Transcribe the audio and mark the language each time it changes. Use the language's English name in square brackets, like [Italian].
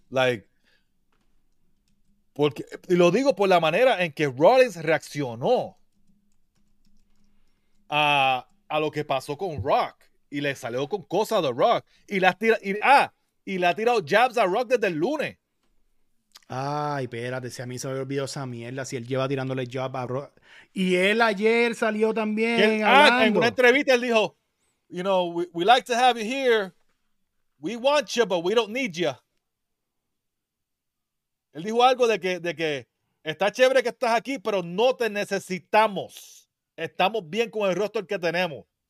[Spanish] Like, porque, y lo digo por la manera en que Rollins reaccionó a lo que pasó con Rock y le salió con cosas de Rock y le ha tirado jabs a Rock desde el lunes. Ay, espérate, si a mí se me olvidó esa mierda, si él lleva tirándole jabs a Rock y él ayer salió también en una entrevista, él dijo, [English] you know, we like to have you here, we want you, but we don't need you. [Spanish] Él dijo algo de que está chévere que estás aquí, pero no te necesitamos. Estamos bien con el roster que tenemos.